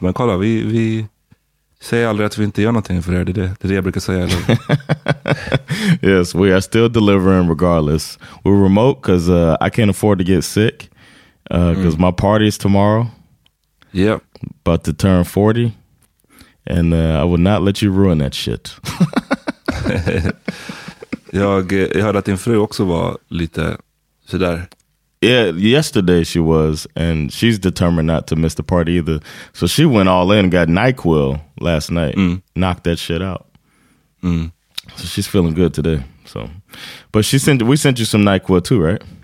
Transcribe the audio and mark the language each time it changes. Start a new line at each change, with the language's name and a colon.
Swedish: Men kolla, vi säger aldrig att vi inte gör någonting för er. Det är det jag brukar säga.
English: Yes, we are still delivering regardless. We're remote because I can't afford to get sick. Because my party is tomorrow. Yep. About to turn 40. And I would not let you ruin that shit.
Swedish: Jag hörde att din fru också var lite sådär.
English: Yeah, yesterday she was. And she's determined not to miss the party either. So she went all in and got NyQuil last night. Mm. Knocked that shit out. Mm. So she's feeling good today. So, but we sent you some NyQuil too, right?